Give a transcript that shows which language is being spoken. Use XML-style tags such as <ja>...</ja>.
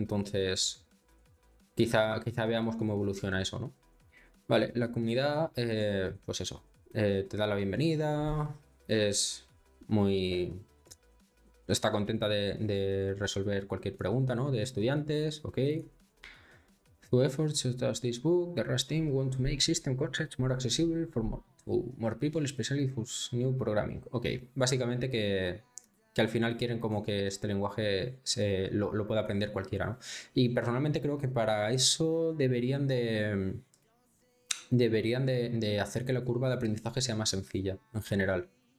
<es>Entonces, quizá veamos cómo evoluciona eso, ¿no? Vale, la comunidad, pues eso, te da la bienvenida, está contenta de resolver cualquier pregunta, ¿no? De estudiantes, ok.</es> <en>Through efforts such as this book, the Rust team want to make system concepts more accessible for more people, especially whose new programming.</en> <es>Ok, básicamente que al final quieren como que este lenguaje lo pueda aprender cualquiera, ¿no? Y personalmente creo que para eso deberían de hacer que la curva de aprendizaje sea más sencilla en general.</es>